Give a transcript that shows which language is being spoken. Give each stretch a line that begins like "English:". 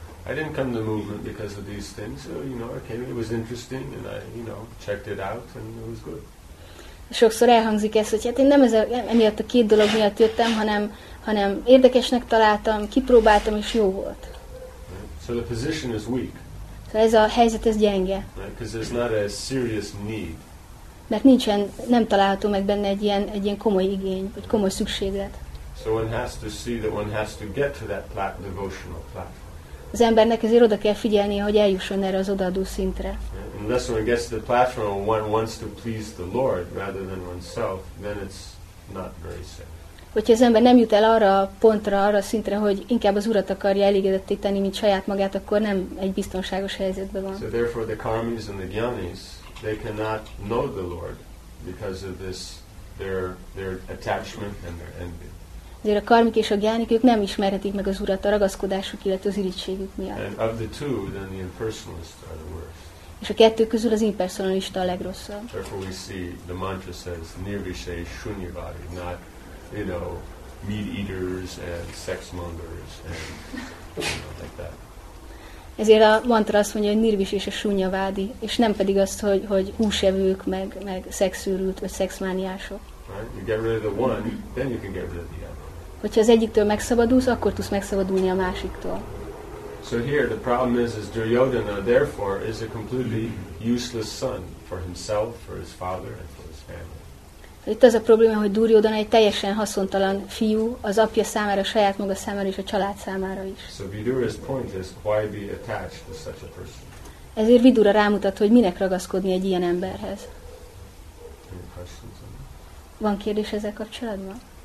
English: I didn't come to movement because of these things. So, you know, I came, it was interesting, and I, you know, checked it out, and it was good.
Hungarian: Sokszor elhangzik ez, hogy hát én nem emiatt a két dolog miatt jöttem, hanem érdekesnek találtam, kipróbáltam, és jó volt.
English: Right. So the position is weak.
Hungarian: Szóval ez a helyzet, ez gyenge.
English: Because right. There's not a serious need.
Hungarian: Mert nincsen, nem található meg benne egy ilyen komoly igény, vagy komoly szükséglet.
English: So one has to see that one has to get to that devotional platform.
Hungarian: Az embernek ezért oda kell figyelnie, hogy eljusson erre az odaadó szintre.
English: Unless one gets to the platform and one wants to please the Lord rather than oneself, then it's not very safe.
Hungarian: Hogyha az ember nem jut el arra a pontra, arra a szintre, hogy inkább az Urat akarja elégedetté tenni, mint saját magát, akkor nem egy biztonságos helyzetben van.
English: So therefore the karmis and the gyanis, they cannot know the Lord because of this, their attachment and their envy.
Hungarian: Azért a karmik és a gyánik, ők nem ismerhetik meg az Urat a ragaszkodásuk, illetve az irigységük miatt.
English: And of the two, then the impersonalist are the worst.
Hungarian: És a kettő közül az impersonalista a legrosszabb.
English: Therefore we see the mantra says nirvishay shunyavadi, not, you know, meat eaters and sex mongers and, you know, like that.
Hungarian: Ezért a mantra azt mondja, hogy nirvis és a shunyavadi, és nem pedig azt, hogy húsevők, meg szexszűrült, vagy szexmániások.
English: Right? You get rid of the one, then you can get rid of the other.
Hungarian: Hogyha az egyiktől megszabadulsz, akkor tudsz megszabadulni a másiktól.
English: So here the problem is Duryodhana therefore is a completely useless son for himself, for his father and for his family.
Hungarian: Itt az a probléma, hogy Duryodhana egy teljesen haszontalan fiú az apja számára, a saját maga számára és a család számára is.
English: So Vidura's point is why be attached to such a person.
Hungarian: Ezért Vidura rámutat, hogy minek ragaszkodni egy ilyen emberhez. Van kérdés ezzel kapcsolatban?